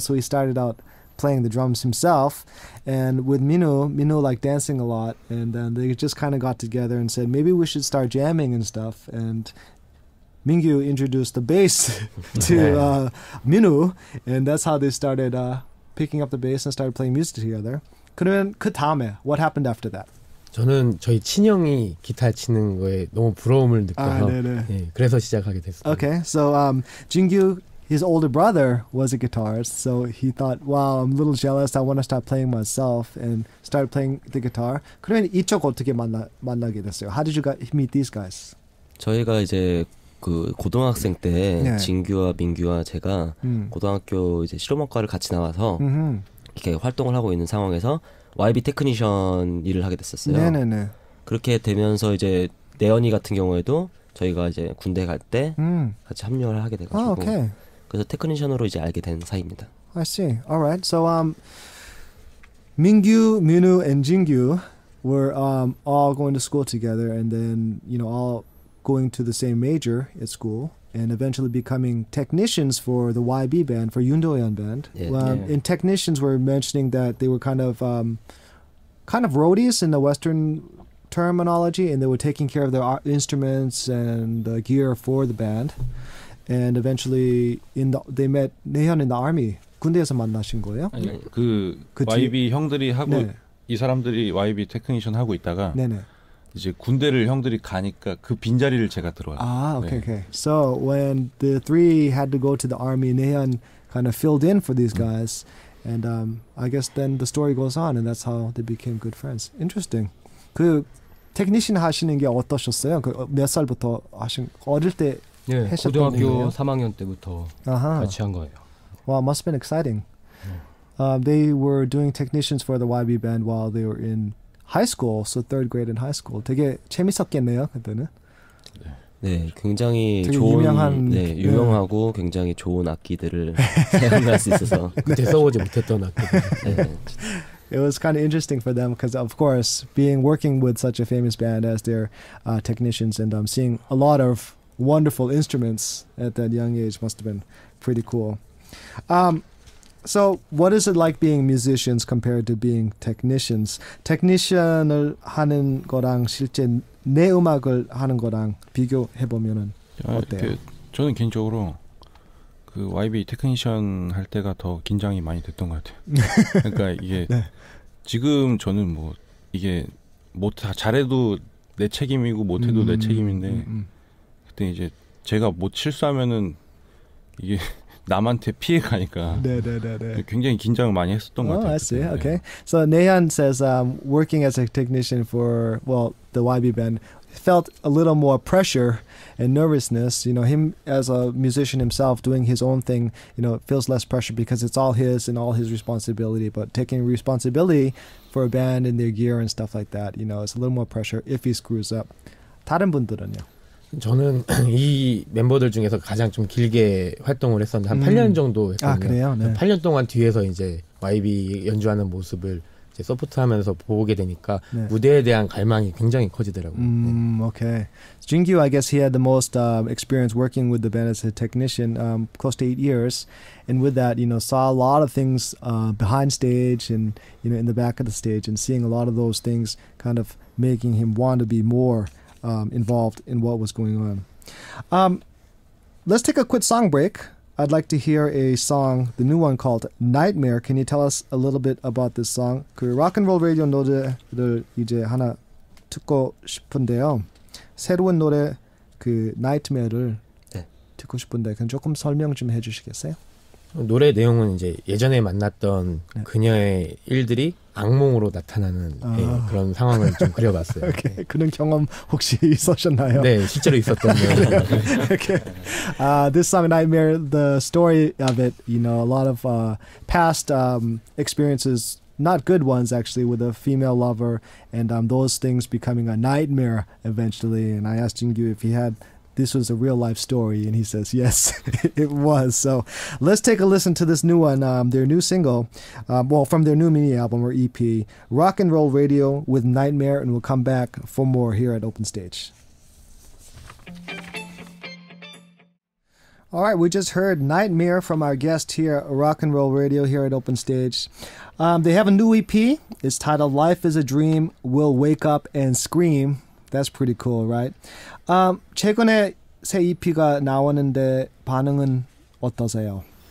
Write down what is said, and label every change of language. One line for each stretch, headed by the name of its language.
English: So he started out playing the drums himself. And with Minho liked dancing a lot. And then they just kind of got together and said, maybe we should start jamming and stuff. And Mingyo introduced the bass to Minho. And that's how they started picking up the bass and started playing music together.
Korean: 그러면 그 다음에,
English: what happened after that?
Korean: 저는 저희 친형이 기타 치는 거에 너무 부러움을 느껴서 아, 네, 그래서 시작하게 됐어요.
English: Okay, so Jingyu, his older brother, was a guitarist, so he thought, wow, I'm a little jealous, I want to start playing myself, and started playing the guitar.
Korean: 그러면 이쪽 어떻게 만나게 됐어요?
English: How did you meet these guys?
Korean: 저희가 이제 그 고등학생 때 네. 진규와 민규와 제가 고등학교 이제 실용음악과를 같이 나와서 이렇게 활동을 하고 있는 상황에서 YB 테크니션 일을 하게 됐었어요. 네네네. 그렇게 되면서 이제 내연이 같은 경우에도 저희가 이제 군대 갈 때 같이 합류를 하게 돼가지고 oh, okay. 그래서 테크니션으로 이제 알게 된 사이입니다.
English: I see. Alright. So Mingyu, Minho, and Jingyu were all going to school together, and then you know all going to the same major at school, and eventually becoming technicians for the YB band, for Yoondoyeon band. Yeah, well, yeah. And technicians were mentioning that they were kind of roadies in the Western terminology, and they were taking care of their instruments and the gear for the band. And eventually, they met Naehyun in the army.
Korean: 군대에서 만나신 거예요? 아니, 그 YB 형들이 하고, 네. 이 사람들이 YB 테크니션 하고 있다가, 네네. 이제 군대를 형들이 가니까 그 빈자리를 제가 들어왔어요. 아, okay, 네. okay.
English: So when the three had to go to the army, Naehyun kind of filled in for these guys. And I guess then the story goes on, and that's how they became good friends. Interesting.
Korean: 그 테크니션 하시는 게 어떠셨어요? 그 몇 살부터 하신, 어릴 때 네, 하셨던 고등학교 거예요? 3학년 때부터 uh-huh. 같이 한 거예요.
English: Wow, must have been exciting. They were doing technicians for the YB band while they were in high school, so third grade in high school.
Korean: 되게 재밌었겠네요, 그때는. 네, 굉장히 좋은, 유명한, 네, 유명하고 네. 굉장히 좋은 악기들을 사용할 수 있어서. 그때 써보지 못했던 악기들.
English: 네. It was kind of interesting for them because, of course, being working with such a famous band as their technicians and seeing a lot of wonderful instruments at that young age must have been pretty cool. So what is it like being musicians compared to being technicians?
Korean: Technician을 하는 거랑 실제 내 음악을 하는 거랑 비교해보면은 어때요? 저는 개인적으로 그 YB 테크니션 할 때가 더 긴장이 많이 됐던 것 같아요. 그러니까 이게 네. 지금 저는 뭐 이게 못 잘해도 내 책임이고 못해도 내 책임인데 그때 이제 제가 뭐 실수하면은 이게 남한테 피해 가니까 네네네네. 굉장히 긴장을 많이 했었던 것 oh, 같아요.
English: I see. 네. Okay. So Naehyun says working as a technician for well the YB band felt a little more pressure and nervousness. You know, him as a musician himself doing his own thing, you know, feels less pressure because it's all his and all his responsibility. But taking responsibility for a band and their gear and stuff like that, you know, it's a little more pressure if he screws up.
Korean: 다른 분들은요? 저는 이 멤버들 중에서 가장 좀 길게 활동을 했었는데 한 8년 정도 했거든요. 아, 그래요? 네. 8년 동안 뒤에서 이제 YB 연주하는 모습을 이제 서포트하면서 보게 되니까 네. 무대에 대한 갈망이 굉장히 커지더라고요. 네. Okay.
English: Jingyu, I guess he had the most experience working with the band as a technician, close to 8 years. And with that, you know, saw a lot of things behind stage and, you know, in the back of the stage and seeing a lot of those things kind of making him want to be more involved in what was going on. Let's take a quick song break. I'd like to hear a song, the new one called Nightmare. Can you tell us a little bit about this song?
Korean: 그 Rock and Roll Radio 노래를 이제 하나 듣고 싶은데요. 새로운 노래 그 Nightmare를 네. 듣고 싶은데 그 조금 설명 좀 해주시겠어요? 노래 내용은 이제 예전에 만났던 네. 그녀의 일들이 악몽으로 나타나는 아. 네, 그런 상황을 좀 그려봤어요. 오케이. 네. 그런 경험 혹시 있으셨나요? 네, 실제로 있었던 거예요.
English: This song, Nightmare, the story of it, you know, a lot of past experiences, not good ones actually, with a female lover, and those things becoming a nightmare eventually. And I asked Jingyu if he had this was a real life story? And he says, yes, it was. So let's take a listen to this new one, their new single, well, from their new mini album or EP, Rock and Roll Radio with Nightmare, and we'll come back for more here at Open Stage. All right, we just heard Nightmare from our guest here at Rock and Roll Radio here at Open Stage. They have a new EP. It's titled Life is a Dream, We'll Wake Up and Scream. That's pretty cool, right?
Korean: 최근에 새 EP가 나왔는데 반응은 어떠세요?